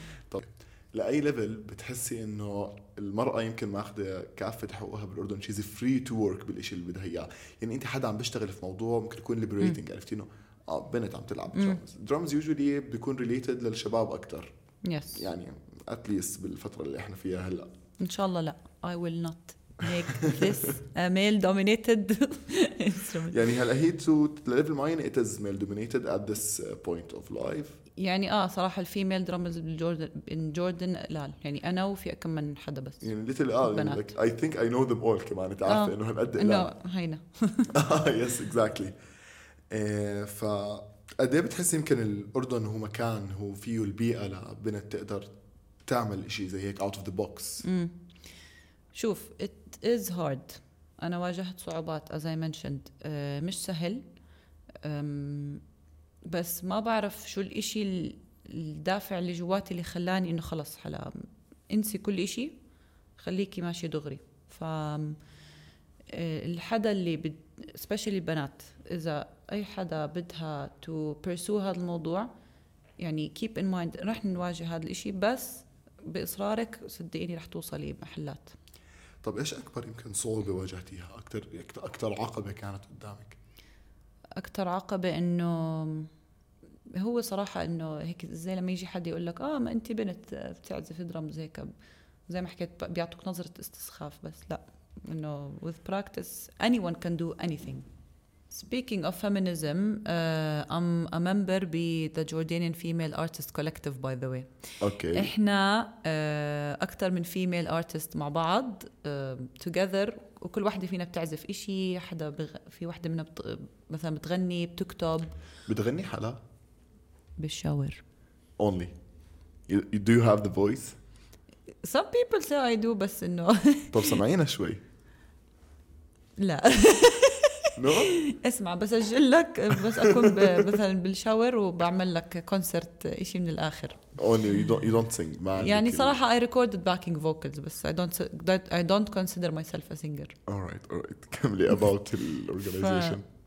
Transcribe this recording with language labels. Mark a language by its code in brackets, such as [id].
[ar] طب لأي level بتحسي إنه المرأة يمكن ما أخذ كافة حقوقها بالأردن؟ [en] she's free to work [ar] بالإشي اللي بدها إياه. يعني أنت حدا عم بشتغل في موضوع ممكن يكون liberating، عرفتينه بنت عم تلعب درامز. درامز يوجولي بيكون ريليتد للشباب أكتر. [en] yes. [ar] يعني [en] at least [ar] بالفترة اللي احنا فيها هلأ. إن شاء الله لا. [en] I will not make this a male dominated instrument. [ar] يعني هلأ هي [en] to level [ar] معين [en] it is male dominated at this point of life. [ar] يعني صراحة الفيميل درامز in Jordan لا يعني أنا وفي أكم من حدا بس. [en] يعني little like I think I know them all [ar] كمان تعرف إنه هالقد. [en] no هينا. yes exactly. [ar] فأدي بتحس يمكن الأردن هو مكان هو فيه البيئة لبنت تقدر تعمل إشي زي هيك [en] out of the box. [ar] شوف [en] it is hard. [ar] أنا واجهت صعوبات [en] as I mentioned. [ar] مش سهل. بس ما بعرف شو الإشي الدافع اللي جواتي اللي خلاني إنه خلص حلا انسي كل إشي خليكي ماشي دغري. ف الحدا اللي especially البنات إذا أي حدا بدها [en] to pursue [ar] هذا الموضوع يعني [en] keep in mind [ar] رح نواجه هذا الإشي بس بإصرارك صدقيني رح توصلي بمحلات. طب إيش أكبر يمكن صعوبة واجهتيها؟ أكتر عقبة كانت قدامك؟ أكتر عقبة إنه هو صراحة إنه هيك زي لما يجي حد يقول لك ما أنت بنت بتعزف درمز هيك زي ما حكيت بيعطوك نظرة استسخاف بس لا إنه [en] with practice anyone can do anything. Speaking of feminism, I'm a member of the Jordanian Female Artist Collective, by the way. Okay. [ar] إحنا أكتر من female artist مع بعض together وكل واحدة فينا بتعزف إشي حدا في واحدة منا مثلا بتغني بتكتب. بتغني حلا؟ بالشاور. [en] Only. You do you have the voice? Some people say I do, [ar] بس إنه. طب سمعينا شوي. لا. [en] No? [ar] اسمع بسجل لك بس أكون مثلا بالشاور وبعمل لك كونسرت إشي من الآخر. [en] Only you don't sing. [ar] يعني صراحة [en] I recorded backing vocals بس I don't consider myself a singer. Alright. [ar] كملي [en] about the organization.